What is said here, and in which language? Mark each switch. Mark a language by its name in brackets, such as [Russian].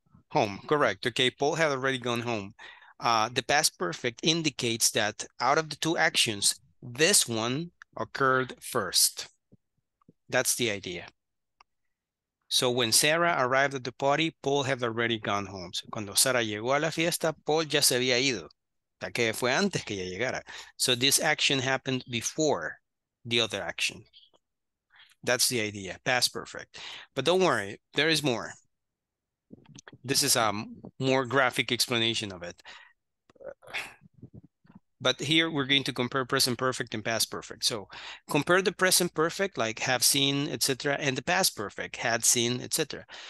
[English] home. Correct. Okay, Paul had already gone home. The past perfect indicates that out of the two actions, this one occurred first. That's the idea. So when Sarah arrived at the party, Paul had already gone home. [Spanish] So cuando Sarah llegó a la fiesta, Paul ya se había ido. O sea, que fue antes que ella llegara. [English] So this action happened before the other action. That's the idea, past perfect. But don't worry, there is more. This is a more graphic explanation of it. But here we're going to compare present perfect and past perfect. So compare the present perfect, like have seen, etc., and the past perfect, had seen, etc.